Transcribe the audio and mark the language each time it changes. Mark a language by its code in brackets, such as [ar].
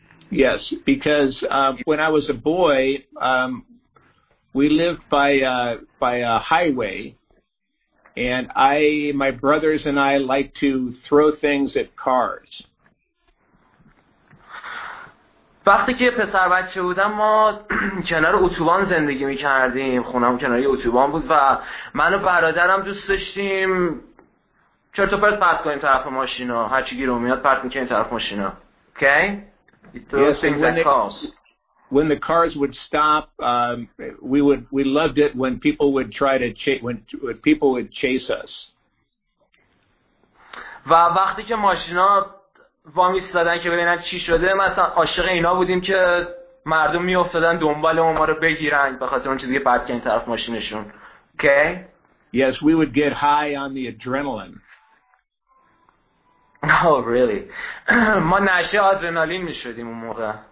[en] When I was a boy, we lived by a highway, and my brothers and I like to throw things at cars. [fa] وقتی که پسر بچه بودم ما کنار اتوبان زندگی می کردیم. خونم کنار یه اتوبان بود و من و برادرم دوست داشتیم. چرت و پرت پرت کنیم طرف ماشینا هر چی گیرم میاد پرت میکنیم طرف ماشینا اوکی [en] yes, when the cars would stop we loved it when people would try to when people would chase us [fa] و وقتی که ماشینا وامی ایستادن که ببینن چی شده مثلا عاشق اینا بودیم که مردم میافتادن دنبال ما رو بگیرن به خاطر اون چیزی که پرت کردن طرف ماشینشون اوکی [en] yes we would get high on the adrenaline Oh, really? [fa] ما نشه آدرنالین می شدیم اون موقع.